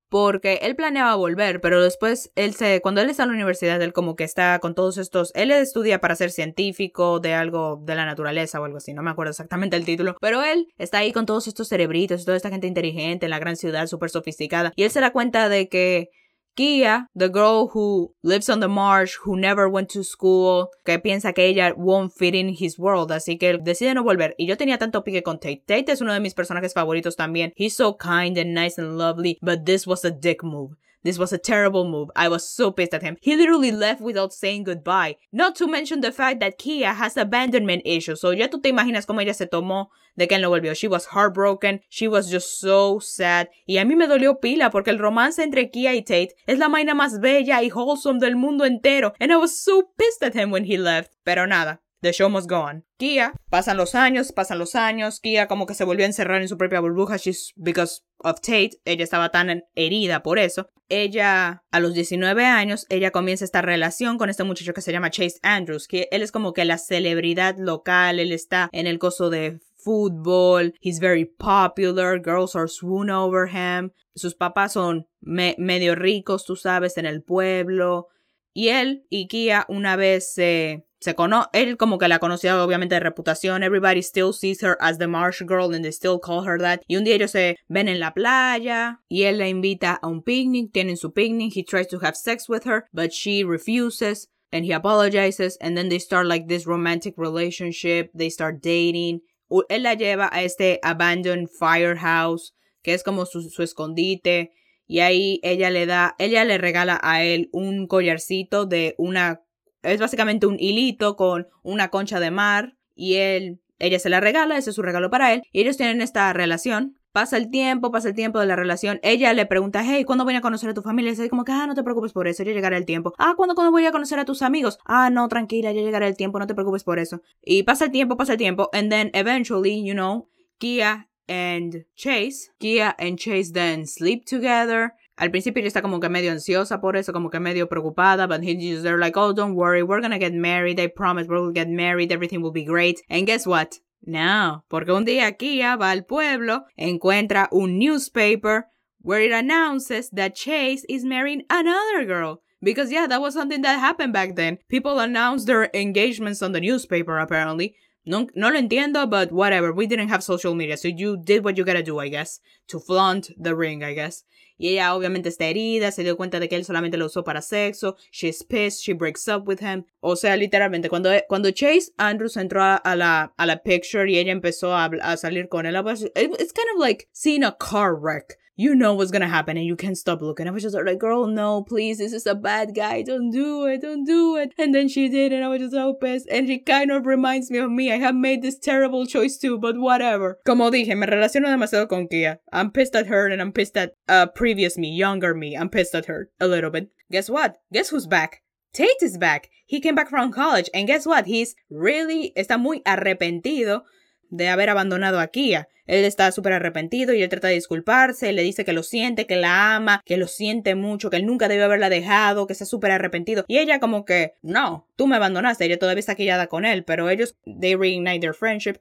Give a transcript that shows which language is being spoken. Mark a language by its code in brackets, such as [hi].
[es] Porque él planeaba volver, pero después cuando él está en la universidad, él como que está con todos estos, él estudia para ser científico de algo de la naturaleza o algo así, no me acuerdo exactamente el título, pero él está ahí con todos estos cerebritos y toda esta gente inteligente en la gran ciudad, súper sofisticada, y él se da cuenta de que Kia, [en] the girl who lives on the marsh, who never went to school, [es] que piensa que ella [en] won't fit in his world, [es] así que él decide no volver. Y yo tenía tanto pique con Tate. Tate es uno de mis personajes favoritos también. [en] He's so kind and nice and lovely, but this was a dick move. This was a terrible move. I was so pissed at him. He literally left without saying goodbye. Not to mention the fact that Kia has abandonment issues. [es] So ya tú te imaginas cómo ella se tomó de que él no volvió. [en] She was heartbroken. She was just so sad. [es] Y a mí me dolió pila porque el romance entre Kia y Tate es la vaina más bella y wholesome del mundo entero. [en] And I was so pissed at him when he left. [es] Pero nada. [en] The show must go on. [es] Kia, pasan los años. Kia como que se volvió a encerrar en su propia burbuja. [en] She's because of Tate. [es] Ella estaba tan herida por eso. Ella, a los 19 años, ella comienza esta relación con este muchacho que se llama Chase Andrews. Que él es como que la celebridad local. Él está en el coso de fútbol. [en] He's very popular. Girls are swoon over him. [es] Sus papás son medio ricos, tú sabes, en el pueblo. Y él y Kia una vez se... él como que la conocía obviamente de reputación. [en] Everybody still sees her as the Marsh girl and they still call her that. [es] Y un día ellos se ven en la playa y él la invita a un picnic. Tienen su picnic. [en] He tries to have sex with her, but she refuses. And he apologizes. And then they start like this romantic relationship. They start dating. [es] Él la lleva a este abandoned firehouse, que es como su escondite. Y ahí ella le regala a él un collarcito de una... Es básicamente un hilito con una concha de mar. Y ella se la regala, ese es su regalo para él. Y ellos tienen esta relación. Pasa el tiempo de la relación. Ella le pregunta, hey, ¿cuándo voy a conocer a tu familia? Y dice como que, no te preocupes por eso, ya llegará el tiempo. ¿Cuándo voy a conocer a tus amigos? No, tranquila, ya llegará el tiempo, no te preocupes por eso. Y pasa el tiempo. [en] And then eventually, you know, Kia and Chase then sleep together. [es] Al principio ella está como que medio ansiosa por eso, como que medio preocupada, [en] but they're like, oh, don't worry, we're gonna get married, I promise we'll get married, everything will be great. And guess what? [es] No, porque un día Kia va al pueblo, encuentra un newspaper [en] where it announces that Chase is marrying another girl. Because yeah, that was something that happened back then. People announced their engagements on the newspaper, apparently. [es] No lo entiendo, [en] but whatever, we didn't have social media, so you did what you gotta do, I guess, to flaunt the ring, I guess. [es] Y ella obviamente está herida, se dio cuenta de que él solamente lo usó para sexo, [en] she's pissed, she breaks up with him. [es] O sea, literalmente, cuando Chase Andrews entró a la picture y ella empezó a salir con él, [en] it's kind of like seeing a car wreck. You know what's gonna happen and you can't stop looking. I was just like, girl, no, please, this is a bad guy. Don't do it. And then she did and I was just so pissed. And she kind of reminds me of me. I have made this terrible choice too, but whatever. [es] Como dije, me relaciono demasiado con Kia. [en] I'm pissed at her and I'm pissed at previous me, younger me. I'm pissed at her a little bit. Guess what? Guess who's back? Tate is back. He came back from college. And guess what? He's really, [es] está muy arrepentido de haber abandonado a Kia. Él está súper arrepentido y él trata de disculparse. Él le dice que lo siente, que la ama, que lo siente mucho, que él nunca debió haberla dejado, que está súper arrepentido. Y ella como que, no, tú me abandonaste. Ella todavía está quillada con él, pero ellos, [en] they reignite their friendship.